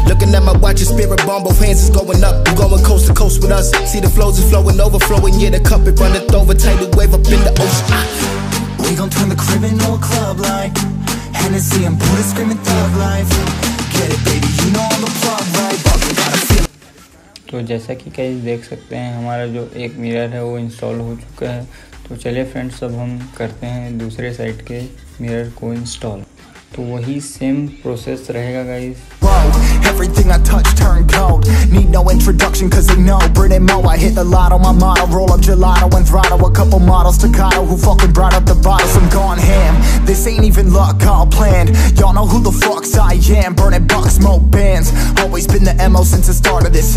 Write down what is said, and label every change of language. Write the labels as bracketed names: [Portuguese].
[English] Looking at my watch, your spirit bomb, both hands is going up. You going coast to coast with us. See the flows is flowing, overflowing, yeah, the cup it runneth over, tidal wave up in the ocean. We gon' turn the crib into a club like Hennessy and Buddha screaming thug life. Get it baby, you know I'm a plug right. [Hindi] तो जैसा कि कई देख सकते हैं हमारा जो एक मिरर है वो इंस्टॉल हो चुका है। तो चलिए फ्रेंड्स अब हम करते हैं दूसरे साइड के मिरर को इंस्टॉल। तो वही सेम प्रोसेस रहेगा guys. [English] Everything I touch turned cold. Need no introduction, cause they know. Brit and Mo, I hit the lotto. My motto, roll up gelato and throttle. A couple models, staccato. Who fucking brought up the bottles? I'm gone ham. This ain't even luck, all planned. Y'all know who the fucks I am. Burning bucks, smoke bands. Always been the MO since the start of this.